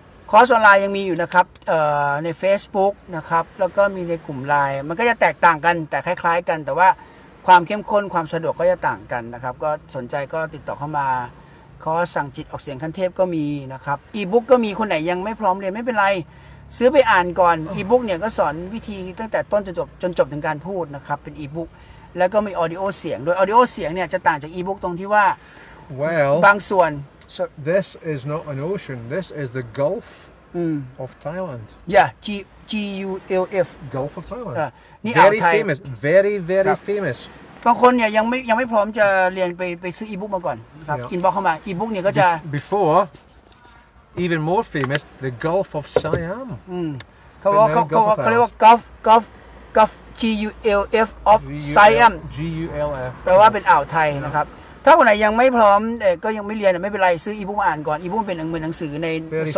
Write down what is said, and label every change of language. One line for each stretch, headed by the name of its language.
Thai: คอร์สออนไลน์ยังมีอยู่นะครับใน Facebook นะครับแล้วก็มีในกลุ่ม LINE มันก็จะแตกต่างกันแต่คล้ายๆกันแต่ว่าความเข้มข้นความสะดวกก็จะต่างกันนะครับก็สนใจก็ติดต่อเข้ามาคอร์สสั่งจิตออกเสียงขั้นเทพก็มีนะครับอีบุ๊กก็มีคนไหนยังไม่พร้อมเรียนไม่เป็นไรซื้อไปอ่านก่อนอีบุ๊กเนี่ยก็สอนวิธีตั้งแต่ต้นจนจบถึงการพูดนะครับเป็นอีบุ๊กแล้วก็มีออดิโอเสียงโดยออดิโอเสียงเนี่ยจะต่างจากอีบุ๊กตรงที่ว่า
English: well
Thai: บางส่วน
English: So this is not an ocean. This is the Gulf of Thailand. Yeah, G-U-L-F. Gulf of Thailand. Very famous. Very famous.
Thai: บางคนเนี่ยยังไม่พร้อมจะเรียนไปซื้ออีบุ๊กมาก่อนครับ Inbox เข้ามา อีบุ๊กเนี่ยก็จะ
English: Before, even more famous, the Gulf of Siam.
Thai: เขาเรียกว่า
English: Gulf G-U-L-F of Siam. G-U-L-F.
Thai: แปลว่าเป็นอ่าวไทยนะครับถ้าคนไหนยังไม่พร้อมก็ยังไม่เรียนไม่เป็นไรซื้ออีบุ๊กมาอ่านก่อนอีบุ๊กเป็นหนังสือในส